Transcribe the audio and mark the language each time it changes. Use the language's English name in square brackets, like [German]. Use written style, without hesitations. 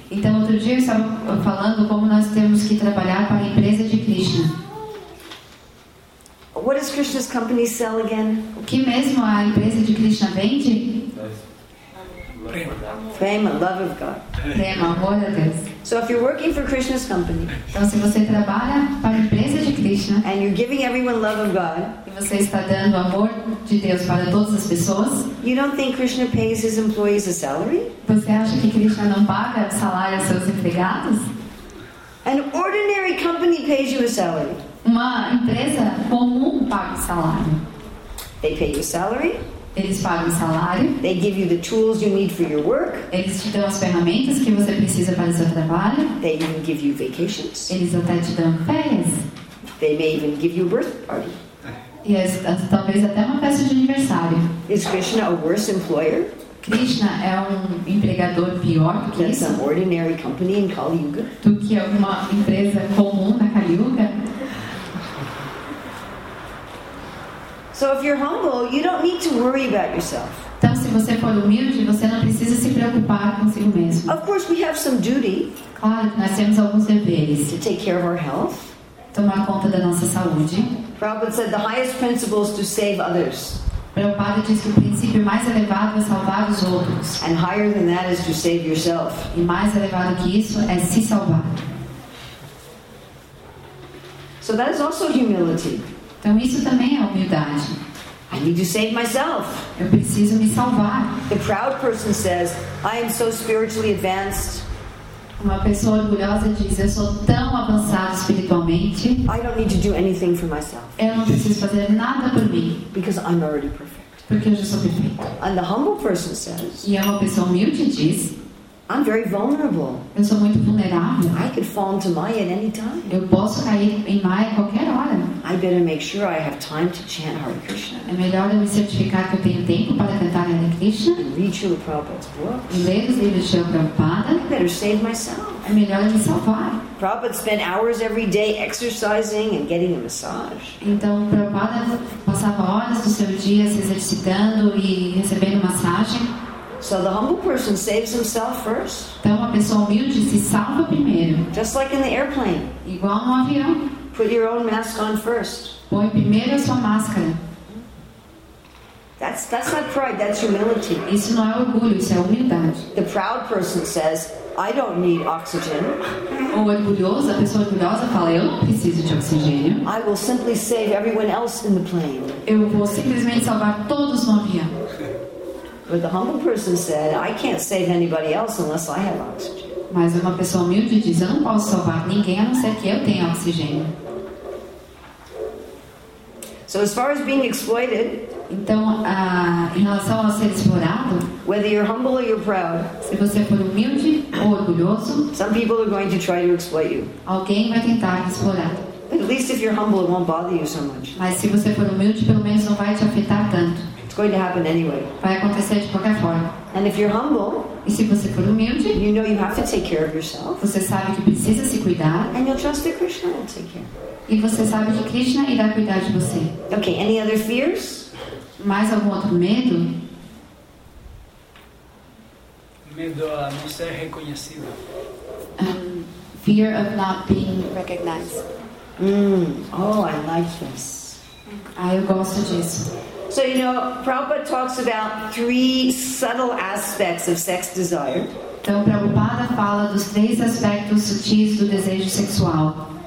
[Portuguese] Então outro dia eu estava falando como nós temos que trabalhar para a empresa de Krishna. [English] What does Krishna's company sell again? [Portuguese] O que mesmo a empresa de Krishna vende? [English] Prema, love of God. [Portuguese] Prema, amor a Deus. [English] So if you're working for Krishna's company, [Portuguese] então se você trabalha para a empresa de Krishna, [English] and you're giving everyone love of God, [Portuguese] e você está dando amor de Deus para todas as pessoas, [English] you don't think Krishna pays his employees a salary? [Portuguese] Você acha que Krishna não paga salário aos seus empregados? [English] An ordinary company pays you a salary. [Portuguese] Uma empresa comum paga salário. [English] They pay you a salary. [Portuguese] Eles pagam salário. [English] They give you the tools you need for your work. [Portuguese] Eles te dão as ferramentas que você precisa para o seu trabalho. [English] They even give you vacations. [Portuguese] Eles até te dão férias. [English] They may even give you a birth party. [Portuguese] Yes, talvez até uma festa de aniversário. [English] Is Krishna a worse employer? [Portuguese] Krishna é empregador pior do que isso? [English] An ordinary company in Kali Yuga? [Portuguese] Do que uma empresa comum na Kali Yuga? [English] So if you're humble, you don't need to worry about yourself. [Portuguese] Então, se você for humilde, você não precisa se preocupar consigo mesmo. [English] Of course, we have some duty. [Portuguese] Claro, nós temos alguns deveres. [English] To take care of our health. [Portuguese] Tomar conta da nossa saúde. [English] Prabhupada said the highest principle is to save others. [Portuguese] Prabhupada diz que o princípio mais elevado é salvar os outros. [English] And higher than that is to save yourself. [Portuguese] E mais elevado que isso é se salvar. [English] So that is also humility. [Portuguese] Então isso também é humildade. [English] I need to save myself. [Portuguese] Eu preciso me salvar. [English] The proud person says, I am so spiritually advanced. [Portuguese] Uma pessoa orgulhosa diz, eu sou tão avançado espiritualmente. [English] I don't need to do anything for myself. [Portuguese] Eu não preciso fazer nada por mim. [English] Because I'm already perfect. [Portuguese] Porque eu já sou perfeito. [English] And the humble person says, [Portuguese] e uma pessoa humilde diz, [English] I'm very vulnerable. [Portuguese] Eu sou muito vulnerável. [English] I could fall into Maya at any time. [Portuguese] Eu posso cair em Maya a qualquer hora. [English] I better make sure I have time to chant Hare Krishna. [Portuguese] É melhor eu me certificar que eu tenho tempo para cantar Hare Krishna. [English] And read Srila Prabhupada's books. [Portuguese] E ler os livros de Srila Prabhupada. [English] I better save myself. [Portuguese] É melhor eu me salvar. [English] Prabhupada spent hours every day exercising and getting a massage. [Portuguese] Então, Prabhupada passava horas do seu dia se exercitando e recebendo massagem. [English] So the humble person saves himself first. [Portuguese] Então a pessoa humilde se salva primeiro. [English] Just like in the airplane. [Portuguese] Igual no avião. [English] Put your own mask on first. [Portuguese] Põe primeiro a sua máscara. [English] That's not pride, that's humility. [Portuguese] Isso não é orgulho, isso é humildade. [English] The proud person says, I don't need oxygen. [Portuguese] O orgulhoso, a pessoa orgulhosa fala, eu não preciso de oxigênio. [English] I will simply save everyone else in the plane. [Portuguese] Eu vou simplesmente salvar todos no avião. [English] But the humble person said, I can't save anybody else unless I have oxygen. [Portuguese] Mas uma pessoa humilde diz, eu não posso salvar ninguém a não ser que eu tenha oxigênio. [English] So as far as being exploited, [Portuguese] então, em relação a ser explorado, [English] whether you're humble or you're proud, [Portuguese] se você for humilde ou orgulhoso, [English] some people are going to try to exploit you. [Portuguese] Alguém vai tentar explorar. [English] But at least if you're humble, it won't bother you so much. [Portuguese] Mas se você for humilde, pelo menos não vai te afetar tanto. [English] It's going to happen anyway. [Portuguese] Vai acontecer de qualquer forma. [English] And if you're humble, [Portuguese] e se você for humilde, [English] you know you have to take care of yourself. [Portuguese] Você sabe que precisa se cuidar. [English] And you'll trust that Krishna will take care. [Portuguese] E você sabe que Krishna irá cuidar de você. [English] Okay, any other fears? [Portuguese] Mais algum outro medo? Medo a não ser reconhecido. [English] Fear of not being recognized. Oh, I like this. [Portuguese] Ah, eu gosto disso. [English] So, you know, Prabhupada talks about three subtle aspects of sex desire. [Portuguese] Então, Prabhupada fala dos três aspectos sutis do desejo sexual.